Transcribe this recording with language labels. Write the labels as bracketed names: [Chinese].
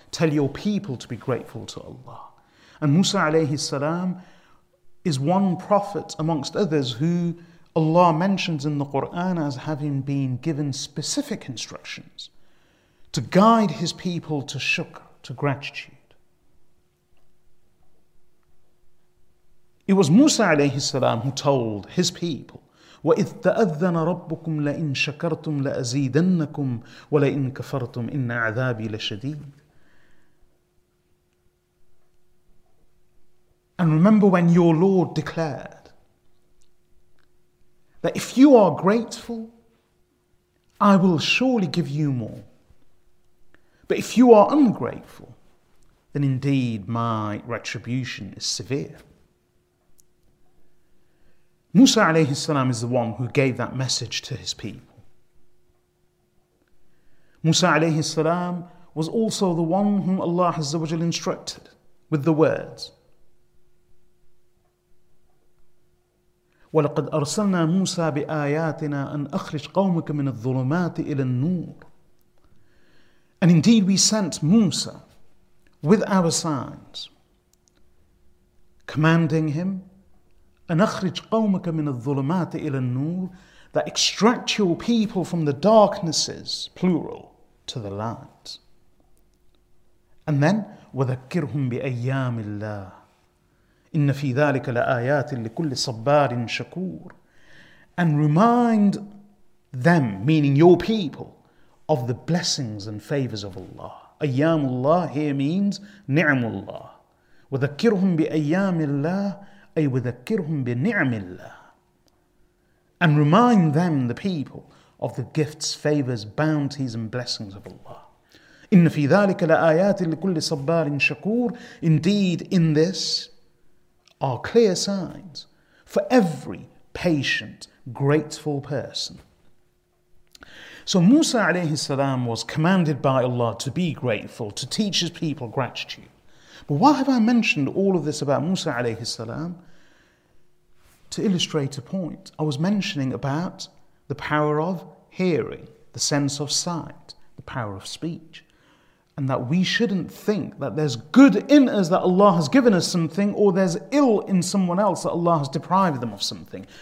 [English] Tell your people to be grateful to Allah. And Musa alayhi salam is one prophet amongst others who Allah mentions in the Quran as having been given specific instructions to guide his people to shukr, to gratitude. It was Musa alayhi salam who told his people, [Arabic] وَإِذْ تَأَذَّنَ رَبُّكُمْ لَإِنْ شَكَرْتُمْ لَأَزِيدَنَّكُمْ وَلَإِنْ كَفَرْتُمْ إِنَّ عَذَابِي لَشَدِيدٌ. [English] And remember when your Lord declared that if you are grateful, I will surely give you more. But if you are ungrateful, then indeed my retribution is severe. Musa alayhi salam is the one who gave that message to his people. Musa alayhi salam was also the one whom Allah Azza wa Jalla instructed with the words. [Arabic] وَلَقَدْ أَرْسَلْنَا مُوسَى بِآيَاتِنَا أَنْ أَخْرِجْ قَوْمَكَ مِنَ الظُّلُمَاتِ إِلَى النُّورِ. [English] And indeed we sent Musa with our signs, commanding him, [Arabic] أَنَخْرِجْ قَوْمَكَ مِنَ الظُّلُمَاتِ إِلَى النُّورِ, [English] that extract your people from the darknesses, plural, to the light. And then, [Arabic] وَذَكِّرْهُمْ بِأَيَّامِ اللَّهِ إِنَّ فِي ذَلِكَ لَآيَاتٍ لِكُلِّ صَبَّارٍ شَكُورٍ. [English] And remind them, meaning your people, of the blessings and favors of Allah. [Arabic] أَيَّامُ اللَّهِ [English] here means [Arabic] نِعْمُ اللَّهِ. وَذَكِّرْهُمْ بِأَيَّامِ اللَّهِ أي وذكرهم بنعم الله. [English] And remind them, the people, of the gifts, favors, bounties, and blessings of Allah. [Arabic] إن في ذلك لآيات لكل صبار شكور. [English] Indeed, in this are clear signs for every patient, grateful person. So Musa عليه السلام was commanded by Allah to be grateful, to teach his people gratitude. But why have I mentioned all of this about Musa عليه السلام? To illustrate a point, I was mentioning about the power of hearing, the sense of sight, the power of speech, and that we shouldn't think that there's good in us that Allah has given us something, or there's ill in someone else that Allah has deprived them of something.